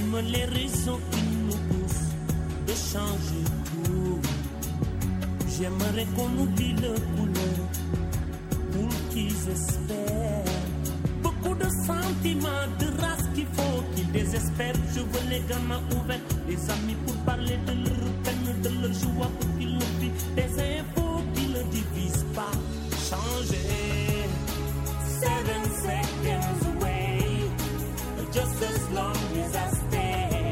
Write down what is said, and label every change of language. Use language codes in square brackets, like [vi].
[fr] Les raisons qui nous poussent de changer tout. J'aimerais qu'on oublie le couleur pour qu'ils espèrent. Beaucoup de sentiments de race qu'il faut qu'ils désespèrent. Je veux les gamins ouverts, les amis pour parler de leur peine, de leur joie pour qu'ils l'oublient. Des infos qui ne divisent pas. Changer. [en] Seven seconds away, just as long as I stay.